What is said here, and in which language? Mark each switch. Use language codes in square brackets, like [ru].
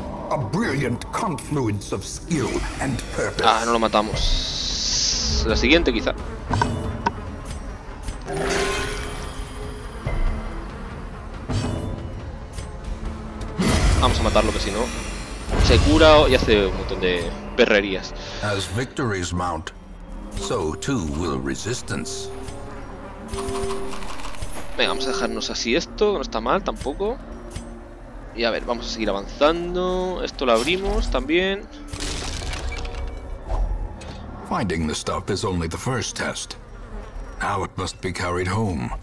[en] A brilliant confluence of skill and purpose. [es] Ah, no lo matamos. La siguiente, quizá. Vamos a matarlo, que si no se cura y hace un montón de perrerías. [en] As victories mount, so too will resistance. [es] Venga, vamos a dejarnos así esto, no está mal tampoco. Y a ver, vamos a seguir avanzando. Esto lo abrimos también. [en] Finding the stuff is only the first test. Now it must be carried home.